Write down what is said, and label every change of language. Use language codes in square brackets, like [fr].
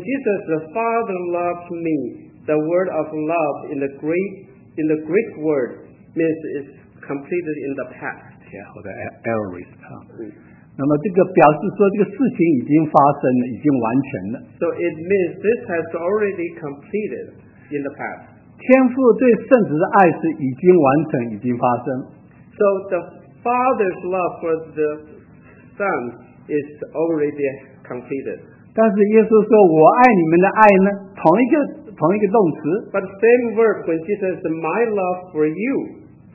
[en] Jesus the Father loves me, the word of love in the Greek word means is completed in the past. Yeah, [zh] 我的 errors 啊。那么这个表示说这个事情已经发生了，已经完成了。 [en] So it means this has already completed in the past. [zh] 天父对圣子的爱是已经完成，已经发生。 [en] So the Father's love for the Son is already completed. [zh] 但是耶稣说我爱你们的爱呢，同一个动词。 [en] But the same verb when Jesus says my love for you.